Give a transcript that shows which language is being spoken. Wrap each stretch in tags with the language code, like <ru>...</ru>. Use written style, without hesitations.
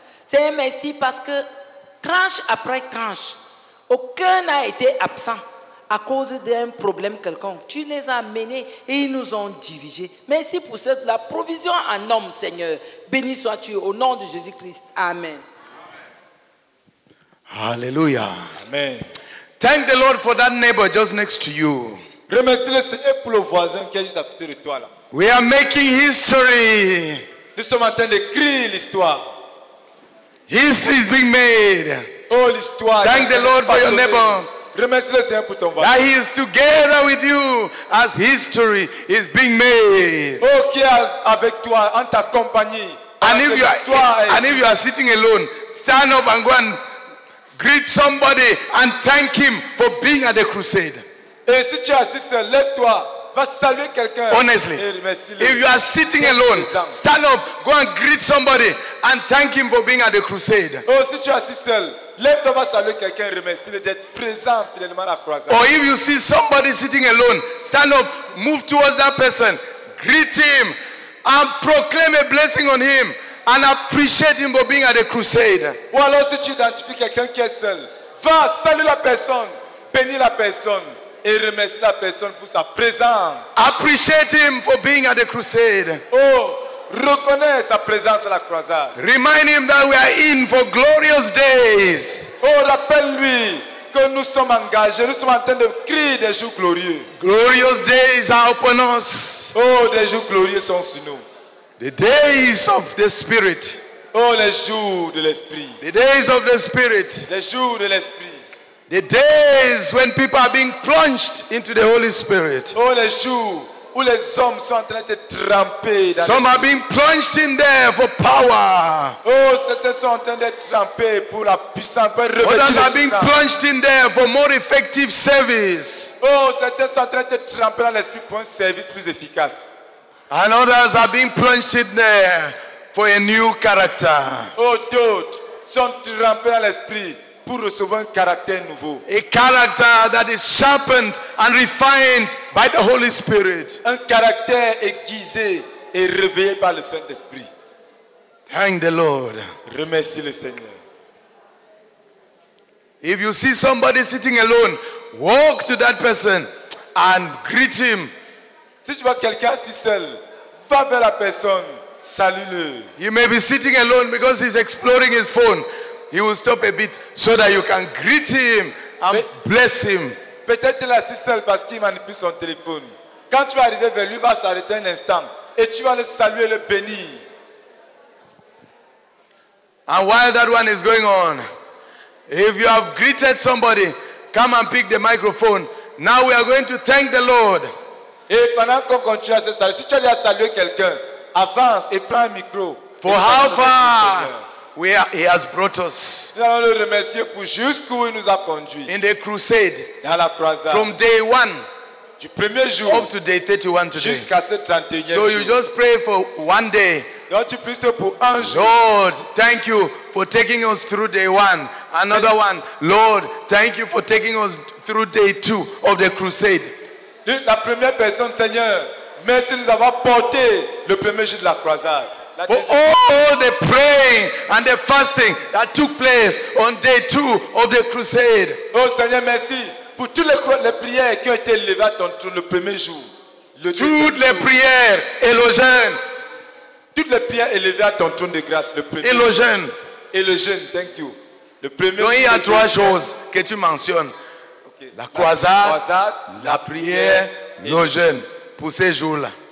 <fr>Seigneur, merci parce que tranche après tranche, aucun n'a été absent à cause d'un problème quelconque. Tu les as menés et ils nous ont dirigés. Merci pour cette, la provision en homme, Seigneur. Béni sois-tu au nom de Jésus-Christ. Amen. Alléluia. Amen.</fr> <en>Thank the Lord for that neighbor just next to you.</en> <fr>Remercie le Seigneur pour le voisin qui est juste à côté de toi là.</fr> <en>We are making history.</en> <fr>Nous sommes en train d'écrire l'histoire.</fr> <en>History is being made.</en> <fr>Oh, l'histoire.</fr> <en>Thank the Lord for your neighbor.</en> <fr>Remercie le Seigneur pour ton voisin.</fr> <en>That he is together with you as history is being made.</en> <fr>Oh, qui est avec toi en ta compagnie.</fr> <en>And if you are sitting alone, stand up and go and greet somebody and thank him for being at the crusade.</en> <fr>Et si tu assistes, lève-toi, va saluer quelqu'un.</fr> <en>Honestly, if you are sitting alone, stand up, go and greet somebody and thank him for being at the crusade.</en> <fr>Oh, si tu assistes, lève-toi, va saluer quelqu'un, remercie-le d'être présent finalement à la croisade.</fr> <en>Or if you see somebody sitting alone, stand up, move towards that person, greet him. And proclaim a blessing on him and appreciate him for being at the crusade.</en> <fr>Ou alors si tu identifies quelqu'un qui est seul, va saluer la personne, bénis la personne et remercie la personne pour sa présence.</fr> <en>Appreciate him for being at the crusade.</en> <fr>Oh, reconnais sa présence à la croisade.</fr> <en>Remind him that we are in for glorious days.</en> <fr>Oh, rappelle-lui que nous sommes engagés, nous sommes en train de crier des jours glorieux.</fr> <en>Glorious days are upon us.</en> <fr>Oh, des jours glorieux sont sur nous.</fr> <en>The days of the Spirit.</en> <fr>Oh, les jours de l'Esprit.</fr> <en>The days of the Spirit.</en> <fr>Les jours de l'Esprit.</fr> <en>The days when people are being plunged into the Holy Spirit.</en> <fr>Oh, les jours où les hommes sont en train de tremper dans.</fr> <en>Some are being plunged in there for power.</en> <fr>Oh, certains sont en train de tremper pour la puissance. Pour</fr> <en>others are</en> <fr>puissance.</fr> <en>Being plunged in there for more effective service.</en> <fr>Oh, certains sont en train de tremper dans l'esprit pour un service plus efficace.</fr> <en>And others are being plunged in there for a new character.</en> <fr>Oh, d'autres sont trempés dans l'esprit pour recevoir un caractère nouveau.</fr> <en>A character that is sharpened and refined by the Holy Spirit.</en> <fr>Un caractère aiguisé et réveillé par le Saint-Esprit.</fr> <en>Thank the Lord.</en> <fr>Remercie le Seigneur.</fr> <en>If you see somebody sitting alone, walk to that person and greet him.</en> <fr>Si tu vois quelqu'un assis seul, va vers la personne, salue-le.</fr> <en>He may be sitting alone because he's exploring his phone. He will stop a bit so that you can greet him and bless him.</en> <fr>Peut-être il assiste seul parce qu'il manipule son téléphone. Quand tu vas arriver vers lui, va s'arrêter un instant et tu vas le saluer, le bénir.</fr> <en>And while that one is going on, if you have greeted somebody, come and pick the microphone. Now we are going to thank the Lord.</en> <fr>Et pendant qu'on continue à se saluer, si tu as déjà salué quelqu'un, avance et prends un micro.</fr> <en>For how far? He has brought us.</en> <fr>Nous allons le remercier pour jusqu'où il nous a conduit.</fr> <en>In the crusade.</en> <fr>Dans la croisade.</fr> <en>From day one.</en> <fr>Du premier jour.</fr> <en>Up to day 31 today.</en> <fr>Jusqu'à ce 31e</fr> <en>jour. So you just pray for one day.</en> <fr>Donc tu pries pour un jour.</fr> <en>Lord, thank you for taking us through day one. Another one. Lord, thank you for taking us through day two of the crusade.</en> <fr>La première personne, Seigneur, merci de nous avoir porté le premier jour de la croisade.</fr> <en>For all the praying and the fasting that took place on day two of the crusade.</en> <fr>Oh Seigneur, merci pour toutes les prières qui ont été levées à ton trône le premier jour. Toutes les prières élogènes. Toutes les prières élevées à ton trône de grâce le premier jour. Élogènes. Élogènes,</fr> <en>thank you.</en> <fr>Le premier jour. Donc il y a trois choses que tu mentionnes. Okay. La croisade, la prière, élogènes pour ces jours-là.</fr>